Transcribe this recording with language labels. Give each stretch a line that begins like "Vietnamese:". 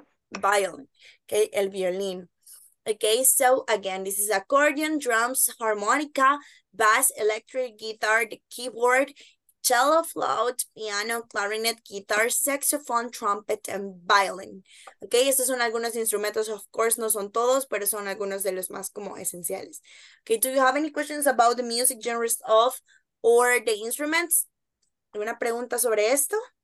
English: Violin. Okay,
Spanish: el violín.
English: Okay, so again, this is accordion, drums, harmonica, bass, electric guitar, the keyboard, cello, flute, piano, clarinet, guitar, saxophone, trumpet, and violin.
Spanish: Okay, estos son algunos instrumentos. Of course, no son todos, pero son algunos de los más como esenciales.
English: Okay, do you have any questions about the music genres of or the instruments?
Spanish: ¿Alguna pregunta sobre esto?